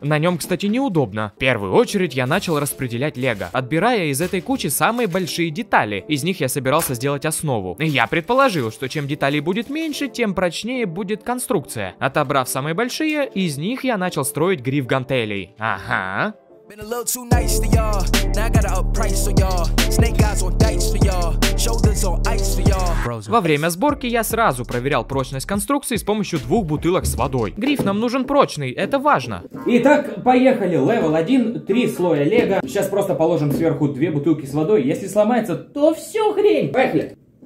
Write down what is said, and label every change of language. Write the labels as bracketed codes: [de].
[ru] На нем, кстати, неудобно. В первую очередь я начал распределять лего, отбирая из этой кучи самые большие детали. Из них я собирался сделать основу. Я предположил, что чем деталей будет меньше, тем прочнее будет конструкция. Отобрав самые большие, из них я начал строить гриф гантелей. Ага. [en] Been a little too nice to y'all. Now I gotta up price for y'all. Snake eyes on dice for y'all. Shoulders on ice for y'all. [ru] Во время сборки я сразу проверял прочность конструкции с помощью двух бутылок с водой. Гриф нам нужен прочный, это важно. Итак, поехали. Левел 1, 3 слоя лего. Сейчас просто положим сверху две бутылки с водой. Если сломается, то все хрень. Поехали.